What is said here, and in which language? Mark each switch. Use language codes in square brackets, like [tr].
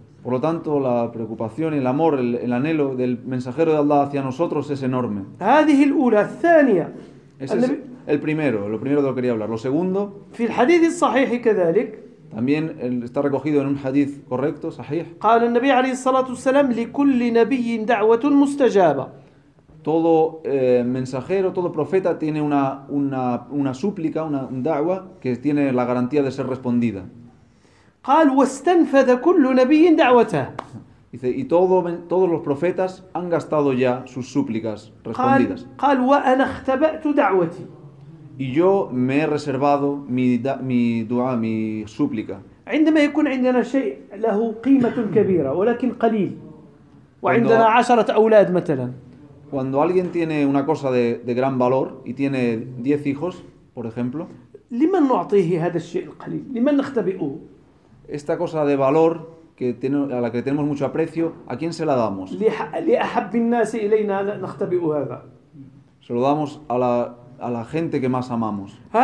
[es] Por lo tanto, la preocupación, el amor, el anhelo del mensajero de Allah hacia nosotros es enorme. Lo primero de lo que quería hablar. Lo segundo, en el hadith al-Sahih, [ar] كذلك, [es] también está recogido en un hadith correcto, sahih. [ar] قال النبي عليه الصلاة والسلام لكل نبي دعوة مستجابة. [es] todo mensajero, todo profeta tiene una súplica, un da'wa, que tiene la garantía de ser respondida. [ar] قال واستنفذ كل نبي دعوته. [es] Dice, y todos los profetas han gastado ya sus súplicas respondidas. [ar] قال وأنا اختبأت دعوتي. [es] Y yo me he reservado mi du'a, mi súplica. [ar] عندما يكون عندنا شيء له قيمة كبيرة ولكن قليل. وعندنا عشرة أولاد مثلا. [es] Cuando alguien tiene una cosa de gran valor y tiene 10 hijos, por ejemplo. [ar] لمن نعطيه هذا الشيء القليل؟ لمن نختبئه؟ [es] Esta cosa de valor que tiene, a la que tenemos mucho aprecio, ¿a quién se la damos? Se lo damos a la gente que más amamos.